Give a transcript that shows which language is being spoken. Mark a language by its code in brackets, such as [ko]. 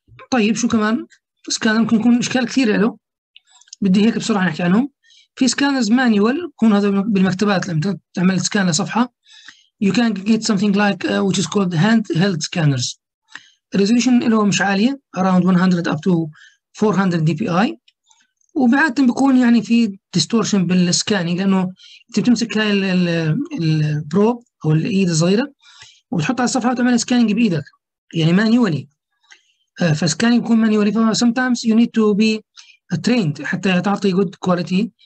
[ar] طيب شو كمان؟ سكان ممكن يكون اشكال كثيره له، بدي هيك بسرعه نحكي عنهم. في سكانرز مانيوال، يكون هذا بالمكتبات لما تعمل سكان لصفحه. [en] You can get something like which is called handheld scanners. Resolution [ar] اللي هو مش عالية [en] around 100 up to 400 dpi. [ar] وبعادة بيكون يعني في distortion بالسكاني، لأنه أنت بتمسك هاي البروب أو الإيد الصغيرة وتحط على الصفحة وتعمل سكانينج بإيدك، يعني manually. فسكانينج بيكون [en] manually، [ar] ف [en] sometimes you need to be trained [ar] حتى تعطي [en] good quality.